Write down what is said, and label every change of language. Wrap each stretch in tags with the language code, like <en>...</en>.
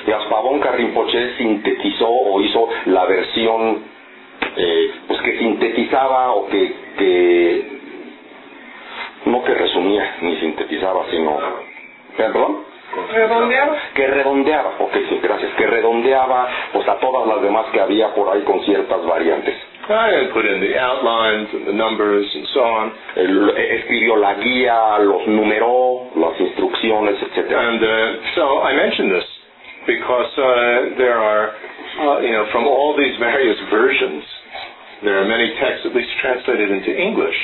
<es>Pabonka Rinpoche sintetizó o hizo la versión pues que sintetizaba o que no que resumía ni sintetizaba, sino perdón, redondeaba, ok, sí, gracias, que redondeaba pues a todas las demás que había por ahí con ciertas variantes.</es> <en>I put in the outlines and the numbers and so on.</en> <es>Escribió la guía, los numeró, las instrucciones, etc.</es> <en>And so I mentioned this because there are, you know, from all these various versions, there are many texts at least translated into English.</en>